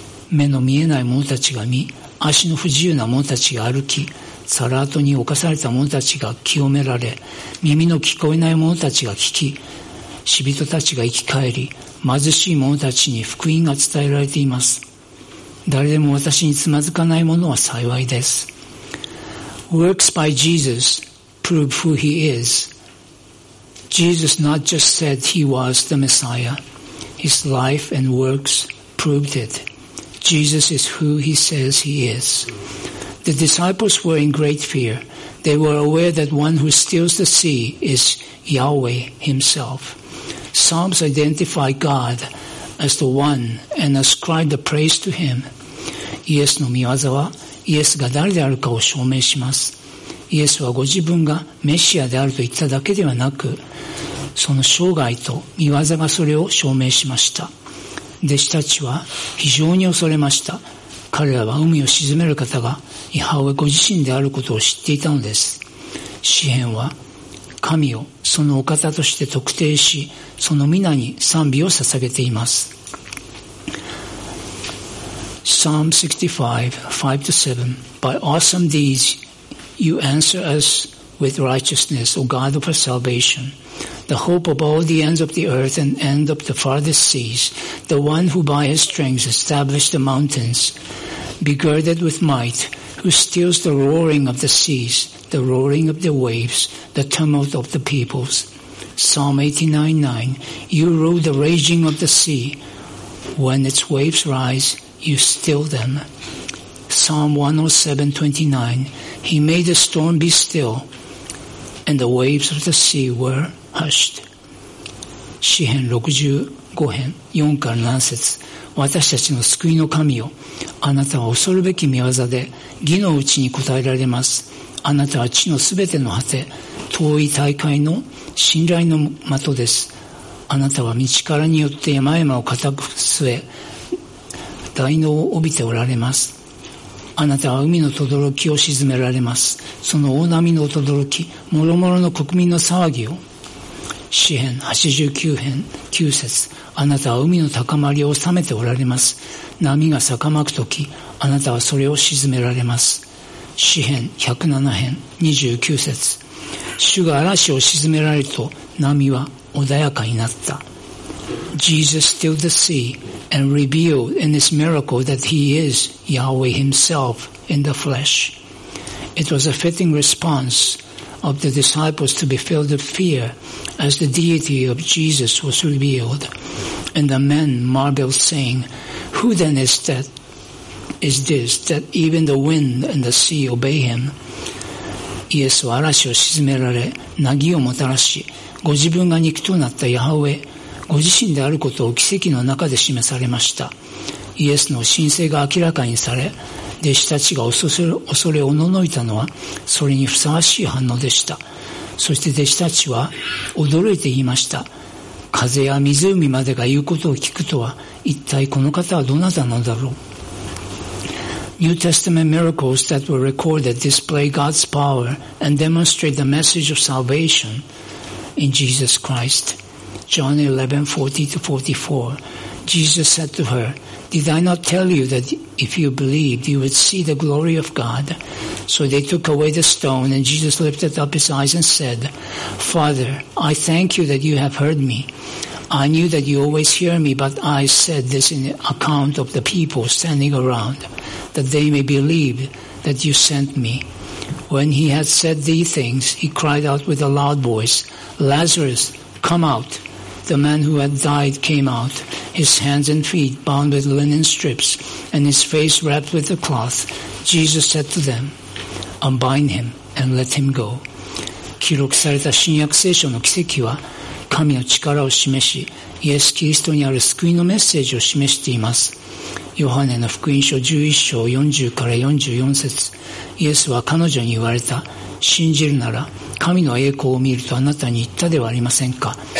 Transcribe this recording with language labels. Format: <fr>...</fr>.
<ja>目の見えない者たちが見、足の不自由な者たちが歩き、サラートに侵された者たちが清められ、耳の聞こえない者たちが聞き、死人たちが生き返り、貧しい者たちに福音が伝えられています。誰でも私につまずかないものは幸いです。</ja> <en>Works by Jesus prove who he is. Jesus not just said he was the Messiah. His life and works proved it. Jesus is who he says he is. The disciples were in great fear. They were aware that one who steals the sea is Yahweh himself. Psalms identify God as the one and ascribe the praise to him.</en> <ja>イエスの御業はイエスが誰であるかを証明します。イエスはご自分がメシアであると言っただけではなく、その生涯と御業がそれを証明しました。弟子たちは非常に恐れました。彼らは海を沈める方がイハウェご自身であることを知っていたのです。詩編は神をそのお方として特定し、その皆に賛美を捧げています。</ja> <en>Psalm 65:5-7 By awesome deeds you answer us with righteousness, O God of our salvation. The hope of all the ends of the earth and end of the farthest seas, the one who by his strength established the mountains, begirded with might, who stills the roaring of the seas, the roaring of the waves, the tumult of the peoples. Psalm 89:9, You rule the raging of the sea. When its waves rise, you still them. Psalm 107:29, He made the storm be still, and the waves of the sea were... Hushed.</en> <ja>詩編65編4から7節。私たちの救いの神よ、あなたは恐るべき御業で義のうちに応えられます。あなたは地のすべての果て、遠い大海の信頼の的です。あなたは身力によって山々を固く据え、大脳を帯びておられます。あなたは海のとどろきを沈められます。その大波のとどろき、もろもろの国民の騒ぎよ。詩編89編9節。あなたは海の高まりを収めておられます。波が逆まくとき、あなたはそれを沈められます。詩編107編29節。主が嵐を沈められると波は穏やかになった。</ja> <en>Jesus stilled the sea and revealed in this miracle that he is Yahweh himself in the flesh. It was a fitting responseof the disciples to be filled with fear as the deity of Jesus was revealed. And the men marveled, saying, Who then is this, that even the wind and the sea obey him?</en> <ja>イエスは嵐を沈められ、凪をもたらし、ご自分が肉となったヤハウェ、ご自身であることを奇跡の中で示されました。イエスの神性が明らかにされ、弟子たちが恐れおののいたのは、それにふさわしい反応でした。そして弟子たちは驚いて言いました。風や湖までが言うことを聞くとは、一体この方はどなたなのだろう。</ja> <en>New Testament miracles that were recorded display God's power and demonstrate the message of salvation in Jesus Christ. John 11:40-44. Jesus said to her,Did I not tell you that if you believed, you would see the glory of God? So they took away the stone, and Jesus lifted up his eyes and said, Father, I thank you that you have heard me. I knew that you always hear me, but I said this in account of the people standing around, that they may believe that you sent me. When he had said these things, he cried out with a loud voice, Lazarus, come out. The man who had died came out. His hands and feet bound with linen strips, and his face wrapped with a cloth. Jesus said to them, Unbind him and let him go.</en> <ja>記録された新約聖書の奇跡は、神の力を示し、イエス・キリストにある救いのメッセージを示しています。ヨハネの福音書11章40から44節、イエスは彼女に言われた、信じるなら、神の栄光を見るとあなたに言ったではありませんか。</ja>